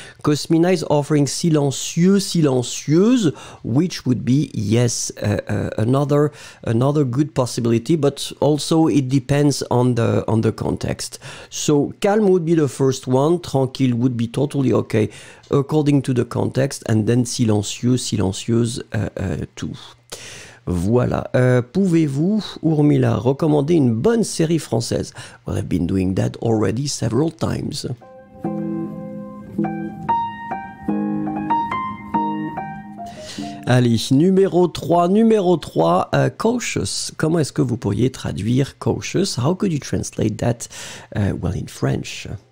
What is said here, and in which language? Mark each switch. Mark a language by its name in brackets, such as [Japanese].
[English] Cosmina is offering silencieux, silencieuse, which would be yes, another good possibility, but also it depends on the context. So calm would be the first one, tranquille would be totally okay according to the context, and then silencieux, silencieuse, tout. [French] Voilà. Pouvez-vous, Urmila, recommander une bonne série française? [English] Well, I've been doing that already several times. [French] Allez, numéro 3, numéro 3, cautious. Comment est-ce que vous pourriez traduire cautious? [English] How could you translate that, well, in French?